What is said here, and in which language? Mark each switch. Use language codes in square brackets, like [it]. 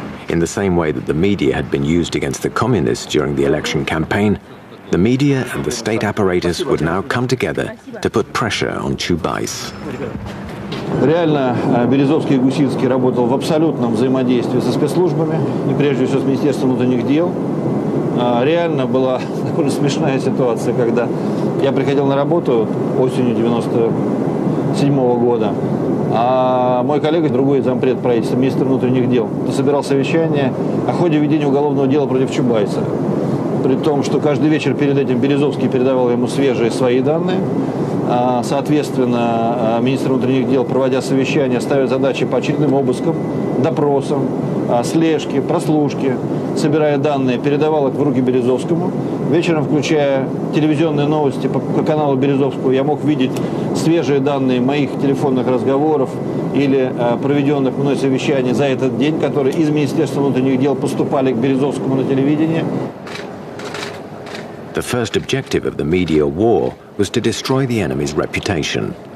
[en] In the same way that the media had been used against the communists during the election campaign, the media and the state apparatus would now come together to put pressure on Чубайс. [ru] Реально, Березовский и Гусинский работал в абсолютном взаимодействии со спецслужбами, и прежде всего с Министерством внутренних дел. Реально была довольно смешная ситуация, когда я приходил на работу осенью 97 года. А мой коллега, другой зампред правительства, министр внутренних дел, собирал совещание о ходе ведения уголовного дела против Чубайса. При том, что каждый вечер перед этим Березовский передавал ему свежие свои данные. Соответственно, министр внутренних дел, проводя совещание, ставил задачи по очередным обыскам, допросам, слежки, прослушки, собирая данные, передавал их в руки Березовскому. Вечером, включая телевизионные новости по каналу Березовского, я мог видеть свежие данные моих телефонных разговоров или проведенных мной совещаний за этот день, которые из Министерства внутренних дел поступали к Березовскому на телевидение. [en] The first objective of the media war was to destroy the enemy's reputation.